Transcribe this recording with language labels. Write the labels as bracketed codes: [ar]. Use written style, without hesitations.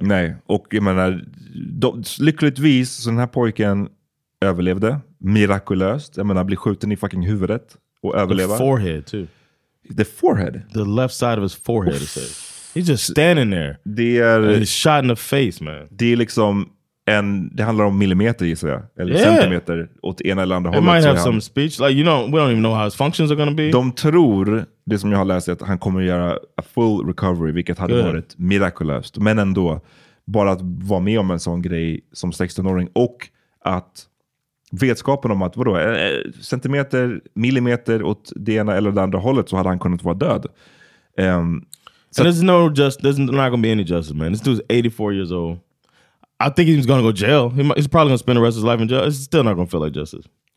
[sv] Nej, och jag menar, lyckligtvis så den här pojken överlevde. Mirakulöst. Jag menar, bli skjuten i fucking huvudet och överleva. [en] The forehead too. The forehead? The left side of his forehead. He's just standing there. [sv] Det är, [en] and he's shot in the face, man. [sv] Det är liksom... det handlar om millimeter, gissar jag. Eller centimeter åt ena eller andra [en] It [sv] hållet. [en] It might have some speech. Like, you know, we don't even know how his functions are going to be. [sv] De tror, det som jag har läst, att han kommer göra [en] a full recovery, [sv] vilket hade varit mirakulöst. Men ändå, bara att vara med om en sån grej som 16-åring. Och att vetskapen om att, vadå, centimeter, millimeter åt det ena eller det andra hållet, så hade han kunnat vara död. [en] So there's not going to be any justice, man. This dude's 84 years old. I think he's going to go jail. He's probably going to spend the rest of his life in jail. It's still not going to feel like justice.